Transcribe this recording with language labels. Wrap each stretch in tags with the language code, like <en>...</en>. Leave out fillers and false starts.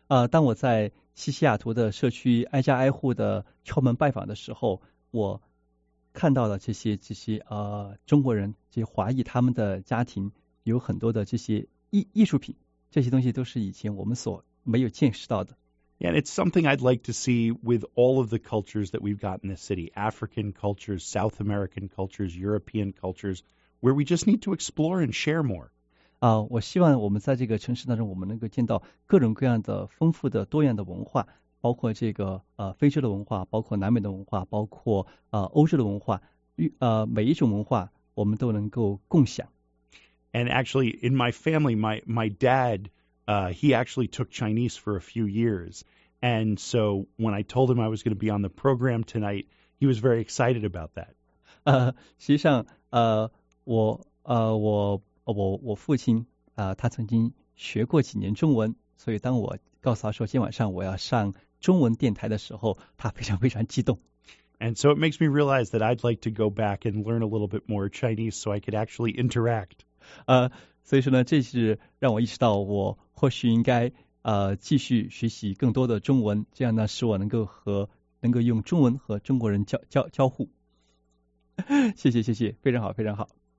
<zh>当我在西雅图的社区挨家挨户的敲门拜访的时候，我看到了这些中国人，这些华裔他们的家庭有很多的这些艺术品，这些东西都是以前我们所没有见识到的。</zh> <en>Yeah, and it's something I'd like to see with all of the cultures that we've got in this city, African cultures, South American cultures, European cultures, where we just need to explore and share more.</en> <zh>我希望我们在这个城市当中，我们能够见到各种各样的丰富的多样的文化，包括这个非洲的文化，包括南美的文化，包括欧洲的文化，每一种文化我们都能够共享。</zh> <en>And actually, in my family, my dad, he actually took Chinese for a few years, and so when I told him I was going to be on the program tonight, he was very excited about that.</en> <zh>实际上，我父亲他曾经学过几年中文，所以当我告诉他说今晚上我要上中文电台的时候，他非常非常激动。</zh> <en>And so it makes me realize that I'd like to go back and learn a little bit more Chinese so I could actually interact.</en> <zh>所以说呢，这是让我意识到我或许应该继续学习更多的中文，这样呢使我能够用中文和中国人交互。谢谢，非常好，非常好。</zh>